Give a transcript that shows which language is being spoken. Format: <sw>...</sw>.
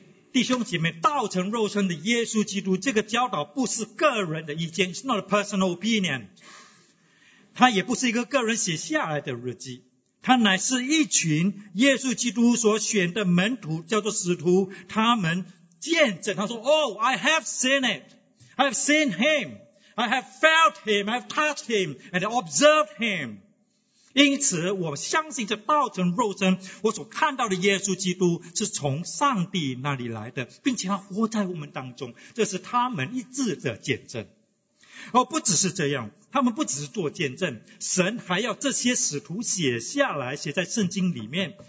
<zh>弟兄姐妹，道成肉身的耶稣基督这个教导不是个人的意见，</zh> <en>It's not a personal opinion，</en> <zh>它也不是一个个人写下来的日记，它乃是一群耶稣基督所选的门徒，叫做使徒，他们见证。他说</zh> <en>Oh, I have seen it, I have seen him, I have felt him, I have touched him and observed him。</en> <zh>因此我相信这道成肉身，我所看到的耶稣基督是从上帝那里来的，并且他活在我们当中，这是他们一致的见证。而不只是这样，他们不只是做见证，神还要这些使徒写下来，写在圣经里面。</zh>